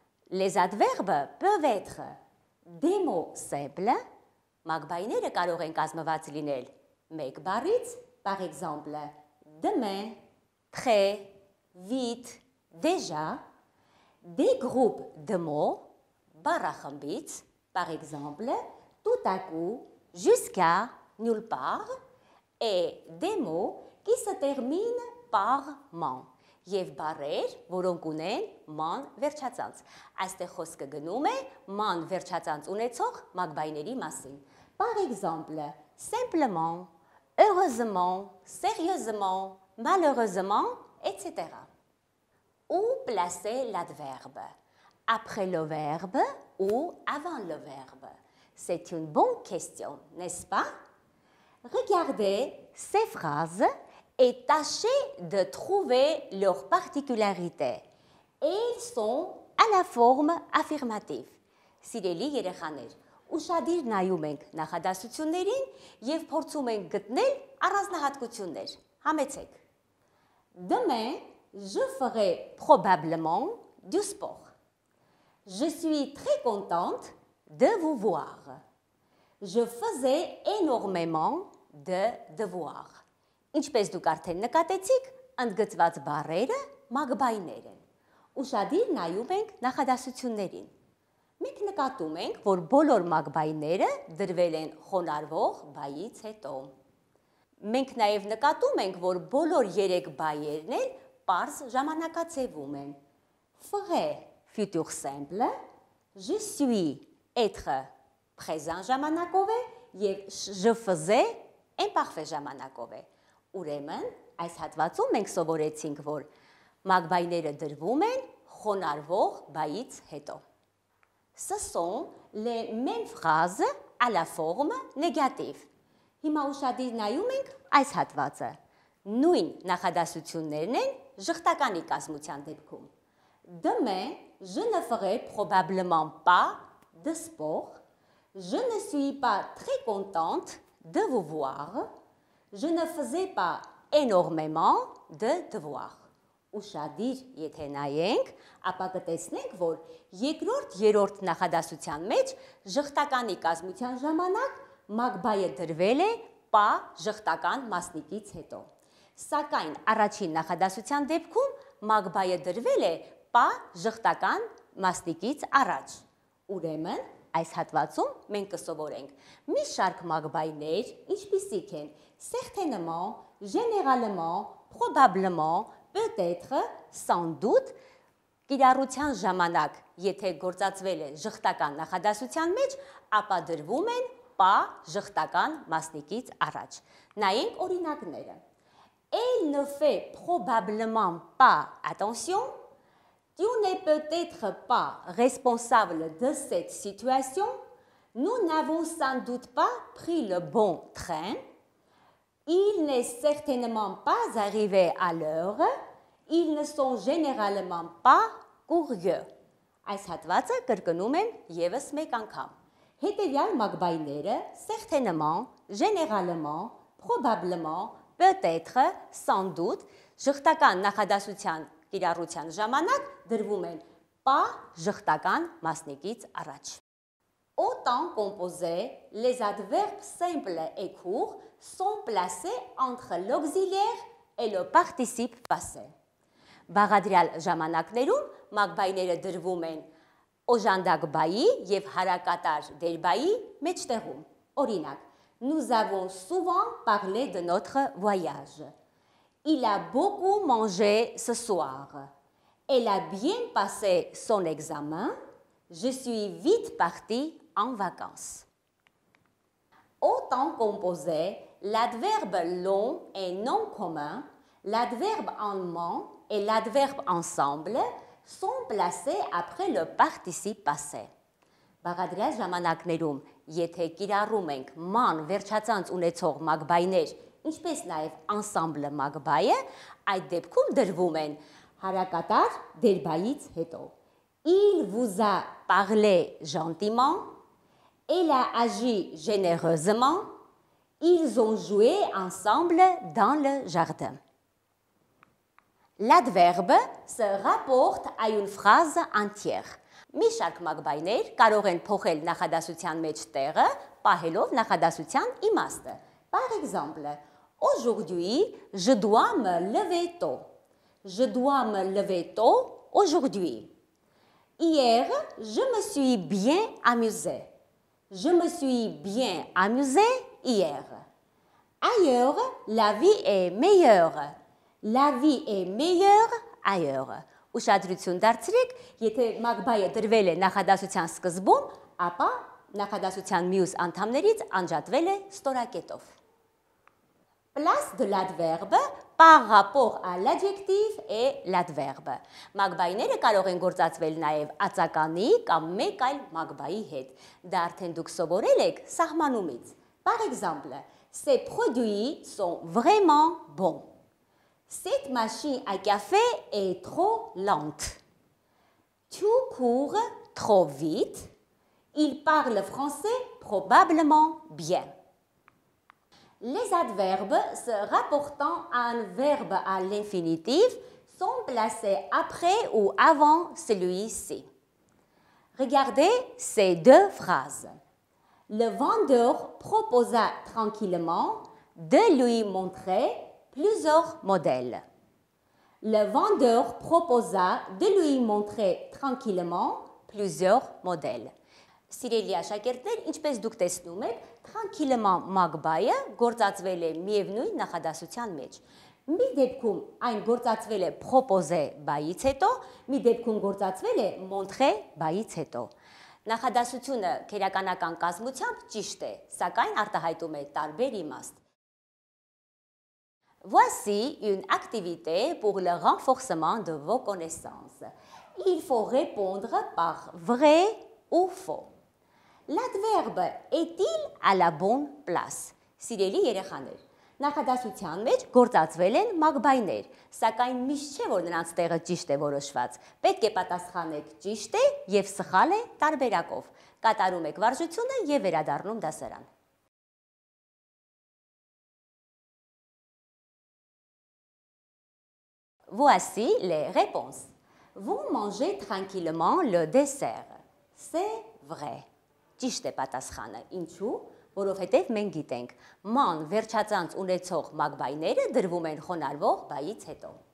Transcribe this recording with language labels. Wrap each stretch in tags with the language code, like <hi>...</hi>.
<fr>Les adverbes peuvent être des mots simples,</fr> <hy>magbainere kaloren kazmevats linel, meg barits,</hy> <fr>par exemple, demain, très, vite, déjà, des groupes de mots,</fr> <hy>barachambits,</hy> <fr>par exemple, tout à coup, jusqu'à, nulle part, et des mots qui se terminent par man.</fr> <hy>Եվ բարեր, որոնք ունեն ման վերջածանց։ Այստեղ խոսքը գնում է ման վերջածանց ունեցող մագբայների մասին։</hy> <fr>Par exemple, simplement, heureusement, sérieusement, malheureusement, etc. Où placer l'adverbe? Après le verbe ou avant le verbe? C'est une bonne question, n'est-ce pas? Regardez ces phrases et tâchez de trouver leurs particularités. Elles sont à la forme affirmative.</fr> <hy>Սիրելի երեխաներ, ուշադիր նայում ենք նախադասություններին և փորձում ենք գտնել առանձնահատկություններ. Համեցեք.</hy> <fr>Demain, je ferai probablement du sport. Je suis très contente de vous voir. Je faisais énormément de devoirs.</fr> <hy>Ինչպես դուք արդեն նկատեցիք, ընդգծված բառերը մագբայներ են։ Ուշադիր նայում ենք նախադասություններին։ Մենք նկատում ենք, որ բոլոր մագբայները դրվել են խոնարհվող բայից հետո։ Մենք նաև նկատում ենք, որ բոլոր երեք բայերն էլ պարզ ժամանակացևում են։</hy> <fr>Ferai, futur simple, je suis, être, présent</fr> <hy>ժամանակով է, և</hy> <fr>je faisais, imparfait</fr> <hy>ժամանակով է։ Ուրեմն, այս հատվածում մենք սովորեցինք, որ մագբայները դրվում են խոնարհվող բայից հետո։</hy> <fr>Ce sont les mêmes phrases à la forme négative.</fr> <hy>Հիմա ուշադիր նայում ենք այս հատվածը։ Նույն նախադասություններն են ժխտականի կազմության դեպքում։</hy> <fr>Demain, je ne ferai probablement pas de sport. Je ne suis pas très contente de vous voir. Je ne faisais pas énormément de devoirs.</fr> <hy>Ուշադիր, եթե նայենք, ապա կտեսնենք, որ երկրորդ նախադասության մեջ ժխտականի կազմության ժամանակ մագբայը դրվել է «պա» ժխտական մասնիկից հետո։ Սակայն առաջին նախադասության դեպքում մագբայը դրվել է «պա» ժխտական մասնիկից առաջ։ Ուրեմն, այս հատվածում մենք կսովորենք մի շարք մագբայներ, ինչպիսիք են.</hy> <fr>Certainement, généralement, probablement, peut-être, sans doute,</fr> <hy>կիրառության ժամանակ, եթե գործածվել է ժխտական նախադասության մեջ, ապա դրվում են «պա» ժխտական մասնիկից առաջ։ Նայենք օրինակները.</hy> <fr>Elle ne fait probablement pas attention. Tu n'es peut-être pas responsable de cette situation. Nous n'avons sans doute pas pris le bon train. Il n'est certainement pas arrivé à l'heure. Ils ne sont généralement pas curieux.</fr> <hy>Այս հատվածը կրկնում են ևս մեկ անգամ. Հետևյալ մագբայները «certainement», «généralement», «probablement», «peut-être», «sans doute» ժխտական նախադասության կիրառության ժամանակ դրվում են «պա» ժխտական մասնիկից առաջ։</hy> <fr>Autant composé, les adverbes simples et courts sont placés entre l'auxiliaire et le participe passé.</fr> <hy>Բաղադրյալ ժամանակներում մագբայները դրվում են օժանդակ բայի եւ հարակատար դեր բայի մեջտեղում։ Օրինակ,</hy> <fr>nous avons souvent parlé de notre voyage. Il a beaucoup mangé ce soir. Elle a bien passé son examen. Je suis vite partie en vacances. Au temps composé, l'adverbe long et non commun, l'adverbe en mot et l'adverbe ensemble sont placés après le participe passé.</fr> <hy>Բարադրյալ ժամանակներում, եթե կիրառում ենք ման վերջածանց ունեցող մագբայներ, ինչպես նաև ensemble մագբայը, այդ դեպքում դրվում են հարակատար դերբայից հետո.</hy> <fr>Il vous a parlé gentiment. Elle a agi généreusement. Ils ont joué ensemble dans le jardin. L'adverbe se rapporte à une phrase entière.</fr> <hy>Մի շարք մագբայներ կարող են փոխել նախադասության մեջ տեղը, պահելով նախադասության իմաստը։</hy> <fr>Par exemple, aujourd'hui, je dois me lever tôt. Je dois me lever tôt aujourd'hui. Hier, je me suis bien amusé. Je me suis bien amusé hier. Ailleurs, la vie est meilleure. La vie est meilleure ailleurs.</fr> <hy>Ուշադրություն դարձրեք, եթե մագբայը դրվել է նախադասության սկզբում, ապա նախադասության մյուս անդամներից անջատվել է ստորակետով.</hy> <fr>Place de l'adverbe par rapport à l'adjectif et l'adverbe.</fr> <hy>Մագբայները կարող են գործածվել նաև ածականի կամ մեկ այլ մագբայի հետ։ Դա արդեն դուք սովորել եք սահմանումից։</hy> <fr>Par exemple, ces produits sont vraiment bons. Cette machine à café est trop lente. Tu cours trop vite. Il parle français probablement bien. Les adverbes se rapportant à un verbe à l'infinitif sont placés après ou avant celui-ci. Regardez ces deux phrases. Le vendeur proposa tranquillement de lui montrer plusieurs modèles. Le vendeur proposa de lui montrer tranquillement plusieurs modèles.</fr> <hy>Սիրելիա շակերտներ, ինչպես դուք տեսնում եք, tranquillement մագբայը գործածվել է միևնույն նախադասության մեջ։ Մի դեպքում այն գործածվել է propose բայից հետո, մի դեպքում գործածվել է montrer բայից հետո։ Նախադասությունը քերականական կազմությամբ ճիշտ է, սակայն արտահայտում է տարբեր իմաստ։</hy> <fr>Voici une activité pour le renforcement de vos connaissances. Il faut répondre par vrai ou faux. L'adverbe est-il à la bonne place?</fr> <hy>Սիրելի երեխաներ, նախադասության մեջ գործածվել են մագբայներ, սակայն միշտ չէ, որ նրանց տեղը ճիշտ է որոշված։ Պետք է պատասխանեք ճիշտ է եւ սխալ է տարբերակով։ Կատարում եք վարժությունը եւ վերադառնում դասարան։</hy> <fr>Voici les réponses. Vous mangez tranquillement le dessert. C'est vrai.</fr> <hy>Ճիշտ է պատասխանը, ինչու՞, որովհետև մենք գիտենք, ման վերջածանց ունեցող մագբայները դրվում են խոնարհվող բայից հետո։</hy>